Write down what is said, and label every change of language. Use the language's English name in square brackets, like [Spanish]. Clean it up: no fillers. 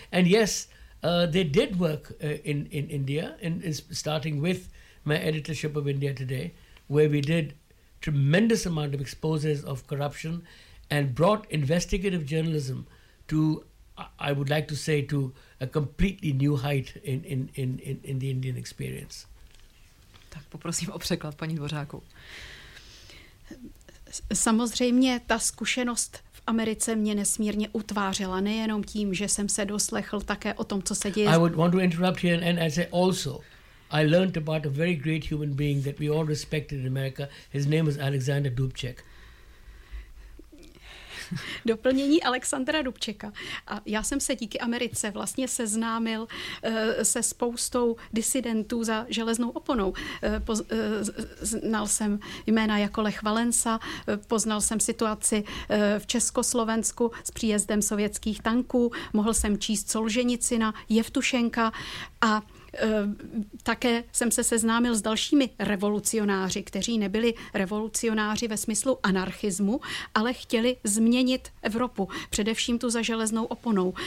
[English] And yes, they did work in India, in starting with my editorship of India Today, where we did tremendous amount of exposes of corruption and brought investigative journalism to I would like to say, to a completely new height in the Indian experience. [Czech] Tak poprosím o překlad, paní Dvořáku. Samozřejmě ta zkušenost v Americe mě nesmírně utvářela, nejenom tím, že jsem se doslechl také o tom, co se děje. [English] I would want to interrupt here and I say also, I learned about a very great human being that we all respected in America. His name was Alexander Dubček. [Czech] Doplnění Alexandra Dubčeka. A já jsem se díky Americe vlastně seznámil se spoustou disidentů za železnou oponou. Znal jsem jména jako Lech Valensa, poznal jsem situaci v Československu s příjezdem sovětských tanků, mohl jsem číst Solženicina, Jevtušenka a také jsem se seznámil s dalšími revolucionáři, kteří nebyli revolucionáři ve smyslu anarchismu, ale chtěli změnit Evropu, především tu za železnou oponou.